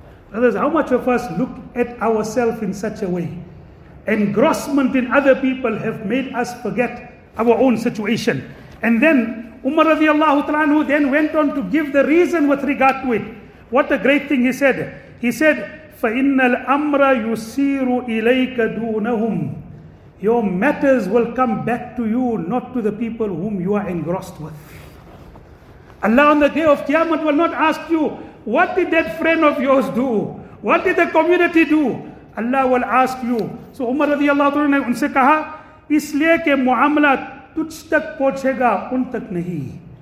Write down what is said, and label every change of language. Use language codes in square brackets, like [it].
[en] Brothers, how much of us look at ourselves in such a way? Engrossment in other people have made us forget our own situation. And then Umar radiallahu ta'ala anhu then went on to give the reason with regard to it. What a great thing he said. He said, [ar] فَإِنَّ الْأَمْرَ يُسِيرُ إِلَيْكَ دُونَهُمْ. [en] Your matters will come back to you, not to the people whom you are engrossed with. Allah on the day of Qiyamah will not ask you, what did that friend of yours do? What did the community do? Allah will ask you. So Umar radiallahu ta'ala anhu [ur] unse kaha, isliye ke muamla tujh tak pahunchega un tak nahi.